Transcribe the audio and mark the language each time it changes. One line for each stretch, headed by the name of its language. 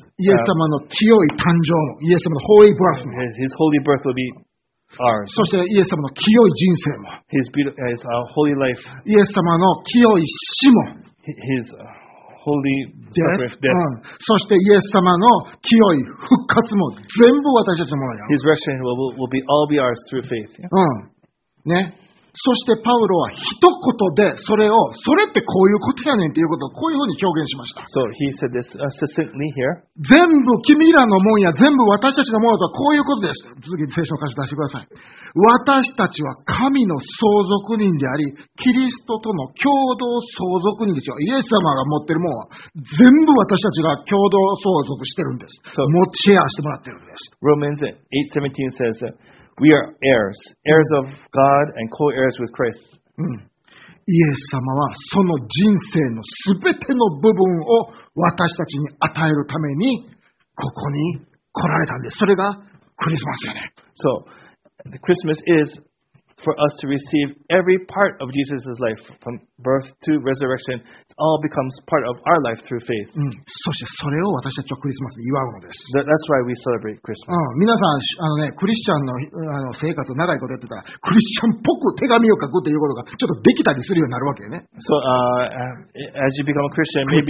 Japanese: イエス様の清い誕生も、イエス様の
English: holy birth
Japanese: も、
English: His holy birth will be ours.
Japanese: そしてイエス様の清い人生も、
English: His holy life.
Japanese: イエス様の清い死も、
English: His holy death.
Japanese: そしてイエス様の清い復活も、全部私たちのものや。
English: His resurrection will be all be ours through faith.
Japanese: ね。そしてパウロは一言でそれをそれってこういうことやねんっていうことをこういうふうに表現しました。
English: So he said this succinctly here.
Japanese: 全部君らのもんや全部私たちのものとはこういうことです。続きに聖書の箇所出してください。私たちは神の相続人であり、キリストとの共同相続人ですよ。イエス様が持ってるもんは全部私たちが共同相続してるんです。 So, 持ちシェアしてもらってるんです。
English: Romans 8:17 says that. We are heirs, heirs of God and co-heirs with Christ.
Japanese: イエス様はその人生のすべての部分を私たちに与えるためにここに来られたんです。それがクリスマスよね。
English: So, the Christmas is for us to receive every part of Jesus' life from birth to resurrection. It all becomes part of our life through faith.
Japanese: そしてそれを私たちはクリスマスで祝うのです。
English: That's why we celebrate Christmas.
Japanese: 皆さん、あのね、クリスチャンの、あの生活を長いことやってたら、クリスチャンっぽく手紙を書くっていうことがちょっとできたりするようになるわけね。
English: So, as you become a Christian, maybe...